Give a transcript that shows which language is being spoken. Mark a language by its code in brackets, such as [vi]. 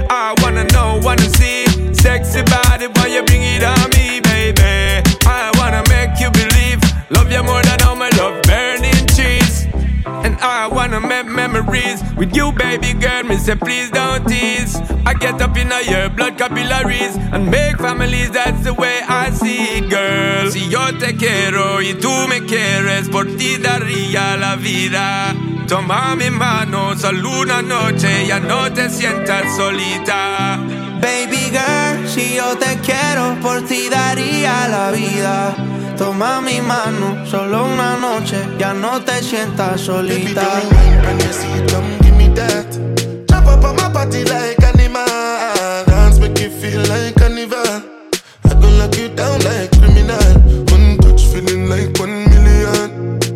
[en] I wanna know, wanna see, sexy body, why you bring it on me, baby. I wanna make you believe, love you more than all my love, burning trees. And I wanna make memories with you, baby girl. Me say please don't tease. I get up in your blood capillaries and make families, that's the way I see it, girl. [es] Si yo te quiero y tú me quieres, por ti daría la vida. Toma mi mano, solo una noche, ya no te sientas solita. [en] Baby girl, [es] si yo te quiero, por ti daría la vida. Toma mi mano, solo una noche, ya no te sientas solita. [en] Baby, don't wait when you see it, come give me that. Jump up on my body like animal. like criminal. One touch feeling like 1 million.